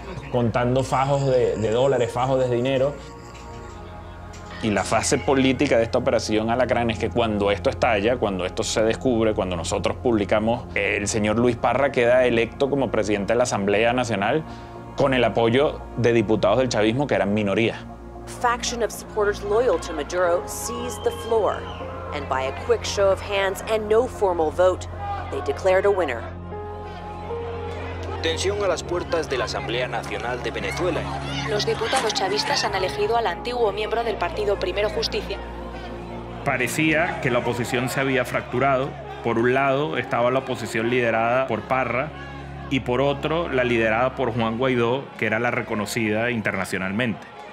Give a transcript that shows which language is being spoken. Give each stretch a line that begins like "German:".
Spanish: Contando fajos de dólares, fajos de dinero. Y la fase política de esta operación Alacrán es que cuando esto estalla, cuando esto se descubre, cuando nosotros publicamos, el señor Luis Parra queda electo como presidente de la Asamblea Nacional con el apoyo de diputados del chavismo que eran minoría.
English: Faction of supporters loyal to Maduro seized the floor, and by a quick show of hands and no formal vote, they declared a winner.
Spanish: Tensión a las puertas de la Asamblea Nacional de Venezuela. Los diputados chavistas han elegido al antiguo miembro del partido Primero Justicia. Parecía que la oposición se había fracturado. Por un lado estaba la oposición liderada por Parra y por otro la liderada por Juan Guaidó, que era la reconocida internacionalmente.